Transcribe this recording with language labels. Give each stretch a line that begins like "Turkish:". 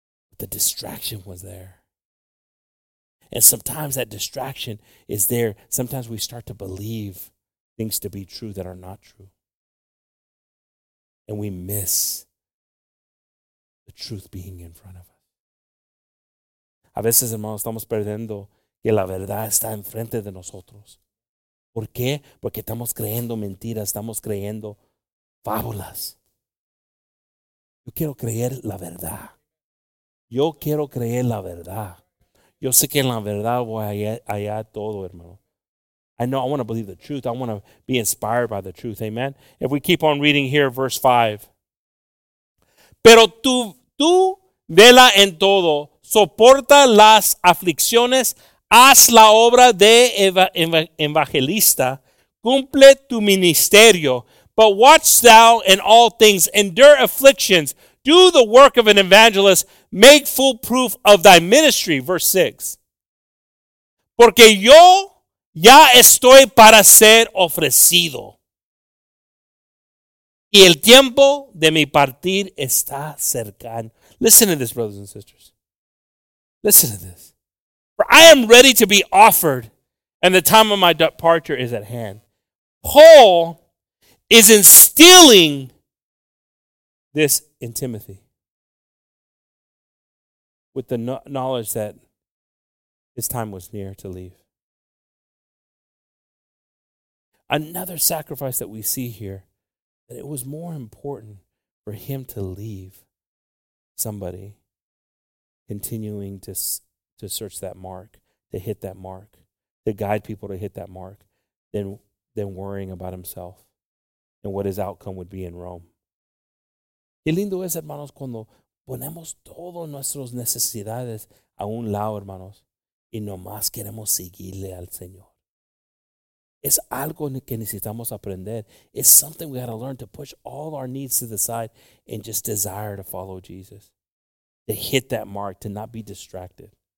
English: But the distraction was there. And sometimes that distraction is there. Sometimes we start to believe things to be true that are not true. And we miss the truth being in front of us.
Spanish: A veces, hermanos, estamos perdiendo que la verdad está enfrente de nosotros. ¿Por qué? Porque estamos creyendo mentiras, estamos creyendo fábulas. Yo quiero creer la verdad. Yo quiero creer la verdad. Yo sé que en la verdad voy a hallar todo, hermano.
English: I know, I want to believe the truth. I want to be inspired by the truth. Amen. If we keep on reading here, verse 5.
Spanish: Pero tú vela en todo, soporta las aflicciones, haz la obra de evangelista, cumple tu ministerio.
English: But watch thou in all things, endure afflictions, do the work of an evangelist, make full proof of thy ministry. Verse 6.
Spanish: Porque yo ya estoy para ser ofrecido. Y el tiempo de mi partir está cercano.
English: Listen to this, brothers and sisters. Listen to this. For I am ready to be offered, and the time of my departure is at hand. Paul is instilling this in Timothy with the knowledge that his time was near to leave. Another sacrifice that we see here, that it was more important for him to leave somebody continuing to search that mark, to hit that mark, to guide people to hit that mark, than worrying about himself and what his outcome would be in Rome.
Spanish: Qué lindo es, hermanos, cuando ponemos todas nuestras necesidades a un lado, hermanos, y nomás queremos seguirle al Señor. Es algo que necesitamos aprender.
English: It's something we got to learn, to push all our needs to the side and just desire to follow Jesus. To hit that mark, to not be distracted.